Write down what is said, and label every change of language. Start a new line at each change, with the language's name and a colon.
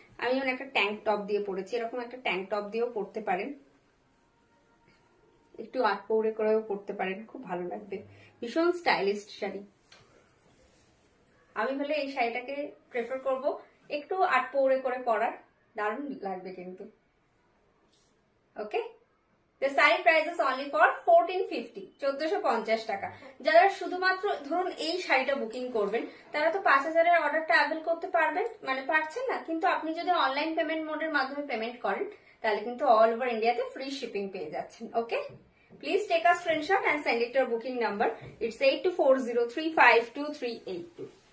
Bangla: আমি যেমন একটা ট্যাঙ্ক টপ দিয়ে পরেছি, এরকম একটা ট্যাঙ্ক টপ দিয়েও পরতে পারেন, একটু আটপৌড়ে করেও পরতে পারেন, খুব ভালো লাগবে, ভীষণ স্টাইলিস্ট শাড়ি। আমি হলে এই শাড়িটাকে প্রেফার করব একটু আটপৌড়ে করে পরার, দারুণ লাগবে কিন্তু।
English: Okay, the sari price is only for 1450 taka.
Bangla: যারা শুধুমাত্র ধরুন এই শাড়িটা বুকিং করবেন, তারা তো 5000 এর অর্ডারটা অ্যাভেল করতে পারবেন, মানে পারছেন না, কিন্তু আপনি যদি অনলাইন পেমেন্ট মোডের মাধ্যমে পেমেন্ট করেন, তাহলে কিন্তু অল ওভার ইন্ডিয়াতে ফ্রি শিপিং পেয়ে যাচ্ছেন।
English: Okay, please take a screenshot and send it to booking number, it's 8240352382।